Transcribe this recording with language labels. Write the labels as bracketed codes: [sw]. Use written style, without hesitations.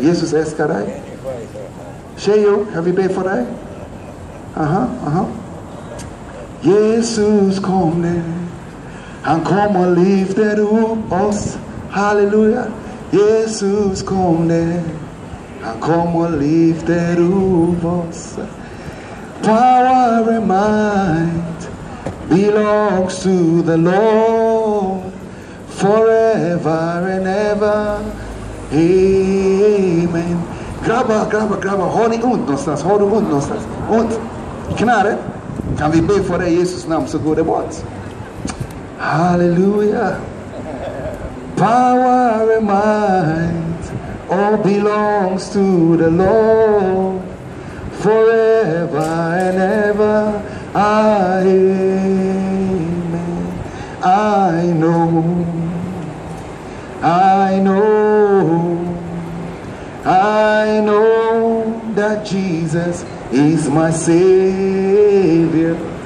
[sv] Jesus älskar dig. Tjejo, kan vi be för dig? Aha, aha. Jesus kom ner. Han kom och lyfter upp oss. Halleluja. Jesus kom ner. Han kom och lyfter upp oss. [en] Power and might belongs to the Lord forever and ever. Amen. Gra- [sv] grabba, håll dig ont någonstans, håll dig ont någonstans. Ont i knäret. Kan vi be för det i Jesus namn så går det bort. Halleluja. [en] Power and might all belongs to the Lord. Forever and ever, I know that Jesus is my Savior.